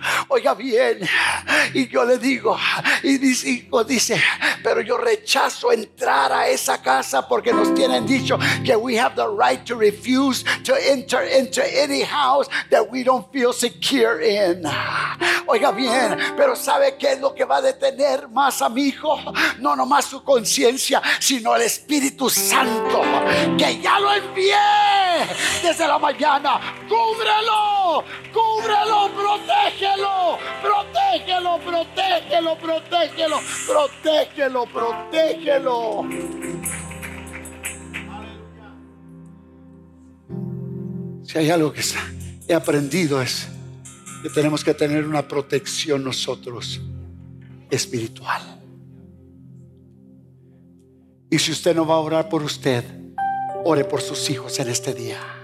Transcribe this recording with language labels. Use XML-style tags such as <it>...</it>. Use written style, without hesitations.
<es>Oiga bien, y yo le digo, y mi hijo dice: pero yo rechazo entrar a esa casa, porque nos tienen dicho que</es> <en>we have the right to refuse to enter into any house that we don't feel secure in.</en> <es>Oiga bien, pero ¿sabe qué es lo que va a detener más a mi hijo? No nomás su conciencia, sino el Espíritu Santo, que ya lo envié desde la mañana. Cúbrelo, cúbrelo, protégelo, protégelo, protégelo, protégelo, protégelo, protégelo. Aleluya. Si hay algo que he aprendido es que tenemos que tener una protección nosotros espiritual. Y si usted no va a orar por usted, ore por sus hijos en este día.</es>